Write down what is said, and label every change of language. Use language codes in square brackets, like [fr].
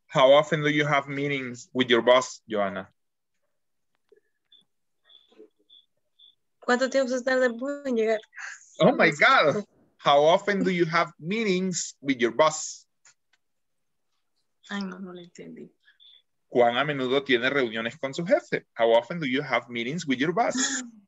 [en] How often do you have meetings with your boss, Joana? [es] ¿Cuánto tiempo se tarda en llegar? [en] Oh my God, how often do you have meetings with your boss? [es] Ay, no lo entendí. ¿Cuán a menudo tiene reuniones con su jefe? [en] How often do you have meetings with your boss?